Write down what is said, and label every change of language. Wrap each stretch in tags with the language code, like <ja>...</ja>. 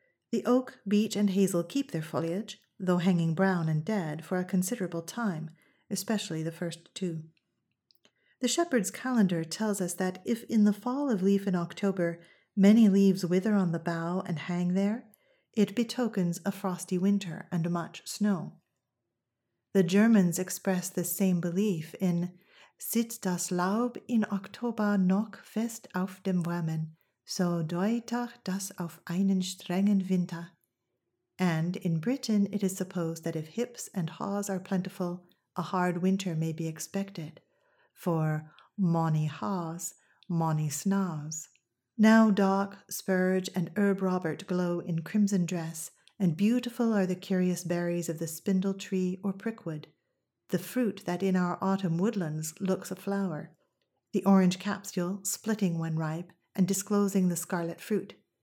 <en>The oak, beech, and hazel keep their foliage, though hanging brown and dead, for a considerable time, especially the first two. The shepherd's calendar tells us that if in the fall of leaf in October many leaves wither on the bough and hang there, it betokens a frosty winter and much snow. The Germans express this same belief in</en> <de>"Sitzt das Laub in Oktober noch fest auf dem Bäumen, so deutet das auf einen strengen Winter."</de> <en>And in Britain it is supposed that if hips and haws are plentiful, a hard winter may be expected, for "mony haws, mony snaws." Now Doc, Spurge, and Herb Robert glow in crimson dress, and beautiful are the curious berries of the spindle tree or prickwood, the fruit that in our autumn woodlands looks a flower, the orange capsule splitting when ripe and disclosing the scarlet fruit.</en>